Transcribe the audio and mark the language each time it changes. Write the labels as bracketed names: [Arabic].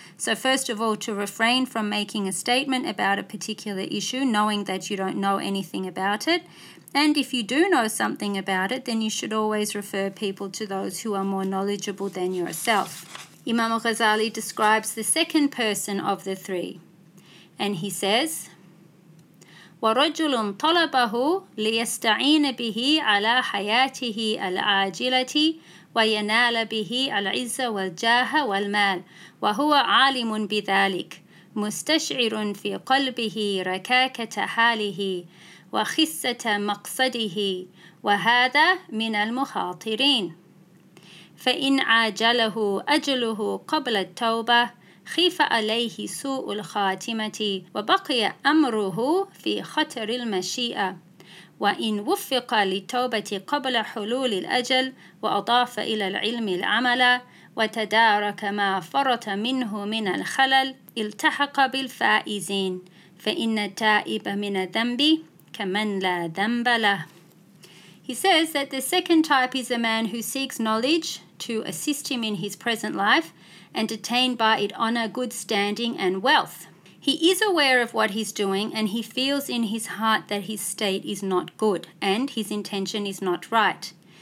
[English] So first of all, to refrain from making a statement about a particular issue, knowing that you don't know anything about it. And if you do know something about it, then you should always refer people to those who are more knowledgeable than yourself. Imam Ghazali describes the second person of the three. And he says, [Arabic] وَرَجُلٌ طَلَبَهُ لِيَسْتَعِينَ بِهِ عَلَىٰ حَيَاتِهِ الْعَاجِلَةِ وَيَنَالَ بِهِ الْعِزَّ وَالْجَاهَ وَالْمَالِ وَهُوَ عَالِمٌ بِذَلِكَ مُسْتَشْعِرٌ فِي قَلْبِهِ رَكَاكَةَ حَالِهِ وَخِسَّةَ مَقْصَدِهِ وَهَذَا مِنَ الْمُخَاطِرِينَ فَإِنْ عَاجَلَهُ أَجَلُهُ قَبْلَ التَّوْبَةِ خيف عليه سوء الخاتمة وبقي أمره في خطر المشيئة وإن وفق للتوبة قبل حلول الأجل وأضاف إلى العلم العمل وتدارك ما فرط منه من الخلل التحق بالفائزين فإن التائب من الذنب كمن لا ذنب له. [English] He says that the second type is a man who seeks knowledge to assist him in his present life and attained by it honor, good standing, and wealth. He is aware of what he's doing and he feels in his heart that his state is not good and his intention is not right.